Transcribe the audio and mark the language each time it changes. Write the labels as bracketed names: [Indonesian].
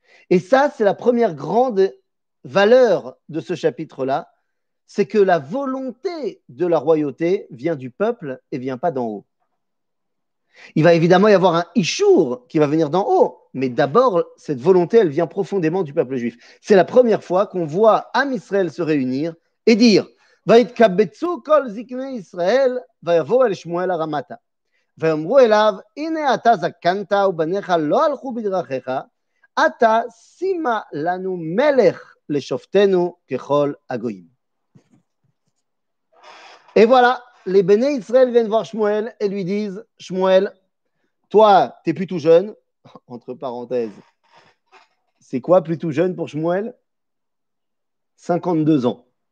[French] Et ça, c'est la première grande valeur de ce chapitre-là. C'est que la volonté de la royauté vient du peuple et ne vient pas d'en haut. Il va évidemment y avoir un ishour qui va venir d'en haut. Mais d'abord, cette volonté, elle vient profondément du peuple juif. C'est la première fois qu'on voit Am Israël se réunir et dire [Hebrew] « ויתקבצו כל זקני ישראל ויבואו אל שמואל הרמתה ואמרו אליו הנה אתה זקנת ובניך לא הלכו בדרכיך אתה שימה לנו מלך לשופטנו ככל הגויים. [French] Et voilà, les béné Israël viennent voir Shmuel et lui disent: Shmuel, toi t'es plutôt jeune, entre parenthèses, c'est quoi plutôt jeune pour Shmuel? 52 ans.